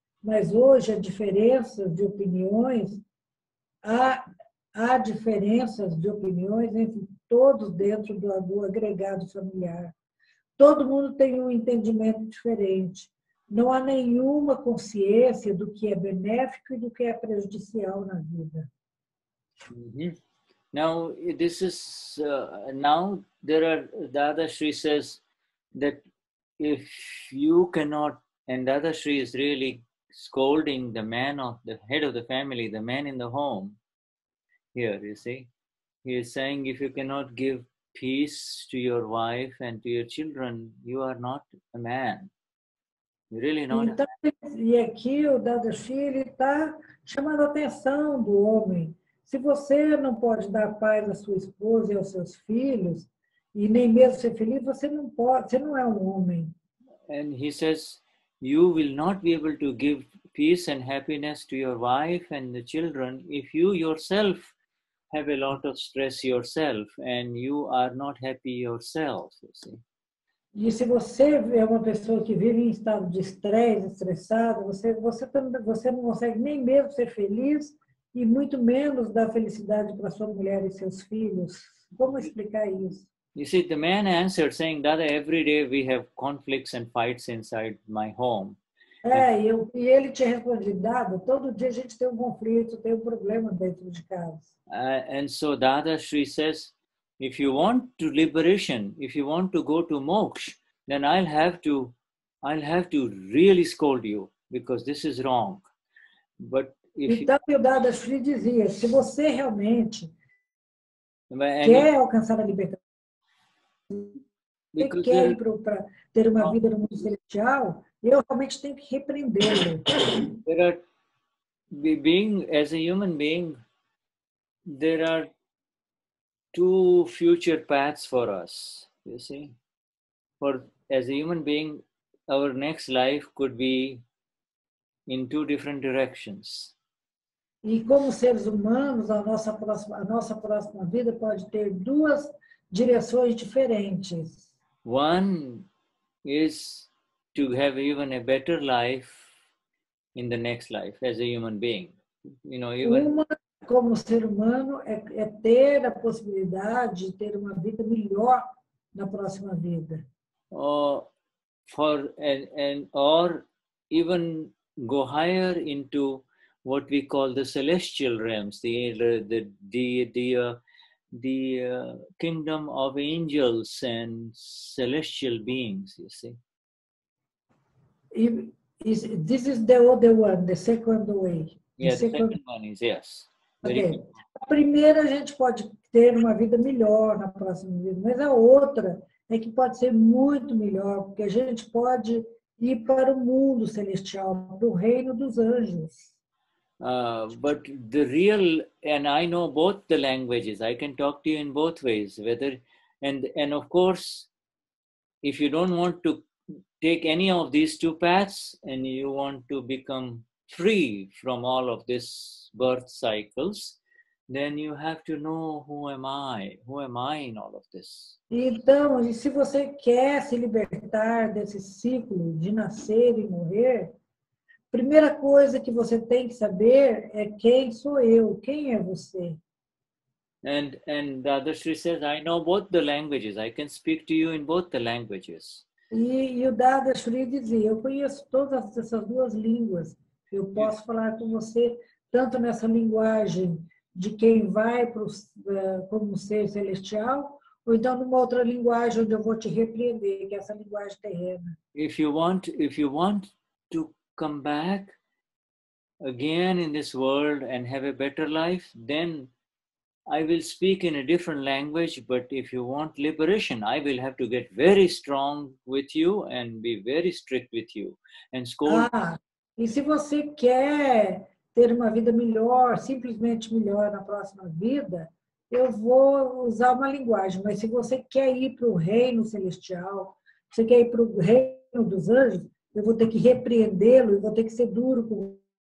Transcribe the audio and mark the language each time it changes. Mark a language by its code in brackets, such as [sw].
[pt] Mas hoje, a diferença de opiniões... Há diferenças de opiniões entre todos dentro do agregado familiar. Todo mundo tem um entendimento diferente. Não há nenhuma consciência do que é benéfico e do que é prejudicial na vida. Mm-hmm. [en] Now, this is now there are Dadashri says that if you cannot, and Dadashri is really scolding the man of the head of the family, the man in the home. Here, you see, he is saying, if you cannot give peace to your wife and to your children, you are not a man. You really not. [pt] Então, e aqui o Dadashri, ele está chamando a atenção do homem. Se você não pode dar paz à sua esposa e aos seus filhos, e nem mesmo ser feliz, você não pode, você não é um homem. [en] And he says, you will not be able to give peace and happiness to your wife and the children if you yourself have a lot of stress yourself and you are not happy yourself, you see. [pt] E se você é uma pessoa que vive em estado de estresse, estressado, você não consegue nem mesmo ser feliz e muito menos dar felicidade para sua mulher e seus filhos. Como explicar isso? [en] You see, the man answered saying that every day we have conflicts and fights inside my home. [pt] É, e ele tinha respondido, Dada, todo dia a gente tem um conflito, tem um problema dentro de casa. [en] And so Dadashri says, if you want to liberation, if you want to go to moksha, then I'll have to really scold you, because this is wrong. But if [pt] então, [en] you... [pt] o Dadashri dizia, se você realmente quer alcançar a liberdade, você quer ir para ter uma vida no mundo celestial, eu realmente tenho que repreendê-lo. [en] Being as a human being, there are two future paths for us. You see, for as a human being, our next life could be in two different directions. [pt] E como seres humanos, a nossa próxima vida pode ter duas direções diferentes. [en] One is to have even a better life in the next life as a human being. You know, even [pt] uma, como ser humano é ter a possibilidade de ter uma vida melhor na próxima vida. [en] Or for and or even go higher into what we call the celestial realms, the kingdom of angels and celestial beings, you see. This is the other one, the second way. Yes, the second one is. Okay. [pt] A primeira a gente pode ter uma vida melhor na próxima vida, mas a outra é que pode ser muito melhor, porque a gente pode ir para o mundo celestial, para o reino dos anjos. [en] But the real, and I know both the languages, I can talk to you in both ways, whether, and of course, if you don't want to take any of these two paths, and you want to become free from all of this birth cycles, then you have to know who am I in all of this. [pt] Então, e se você quer se libertar desse ciclo de nascer e morrer, primeira coisa que você tem que saber é quem sou eu, quem é você. [en] And Dadashri says, I know both the languages, I can speak to you in both the languages. [pt] E o Dadashri dizia, eu conheço todas essas duas línguas, eu posso falar com você tanto nessa linguagem de quem vai pro, como ser celestial, ou então numa outra linguagem onde eu vou te repreender, que é essa linguagem terrena. [en] If you want to come back again in this world and have a better life, then I will speak in a different language. But if you want liberation, I will have to get very strong with you and be very strict with you and scold. [pt] Ah, e se você quer ter uma vida melhor, simplesmente melhor na próxima vida, eu vou usar uma linguagem. Mas se você quer ir para o reino celestial, você quer ir para o reino dos anjos, eu vou ter que repreendê-lo, eu vou ter que ser duro com